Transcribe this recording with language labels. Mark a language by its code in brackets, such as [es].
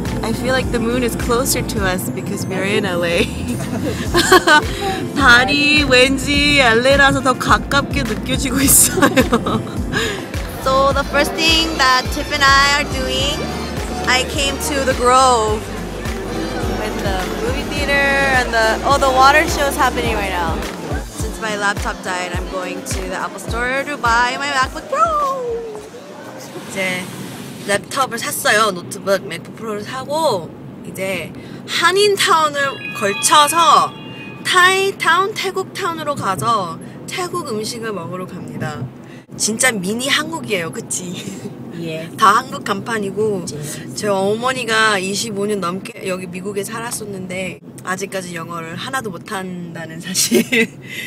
[en] I feel like the moon is closer to us because we're in LA. [ko] 달이 왠지 LA라서 더 가깝게 느껴지고 있어요. [en] So the first thing that Tiff and I are doing, I came to the Grove with the movie theater and the water show is happening right now. Since my laptop died, I'm going to the Apple Store to buy my MacBook Pro. [ko] 이제 랩탑을 샀어요. 노트북 맥북 프로를 사고 이제 한인타운을 걸쳐서 타이타운 태국타운으로 가서 태국 음식을 먹으러 갑니다. 진짜 미니 한국이에요, 그치? 예. 다 한국 간판이고 제 어머니가 25년 넘게 여기 미국에 살았었는데 아직까지 영어를 하나도 못한다는 사실.